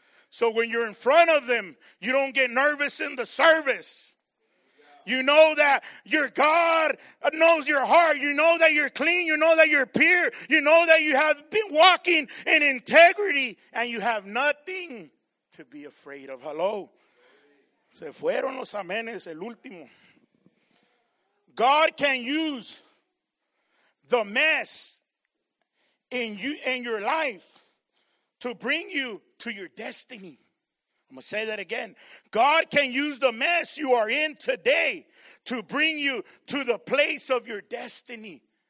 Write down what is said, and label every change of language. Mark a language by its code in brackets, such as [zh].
[en] So when you're in front of them, you don't get nervous in the service. You know that your God knows your heart. You know that you're clean. You know that you're pure. You know that you have been walking in integrity and you have nothing to be afraid of. Hello. [es] Se fueron los amenes, el último. [en] God can use the mess in you and your life to bring you to your destiny. I'm going to say that again. God can use the mess you are in today to bring you to the place of your destiny.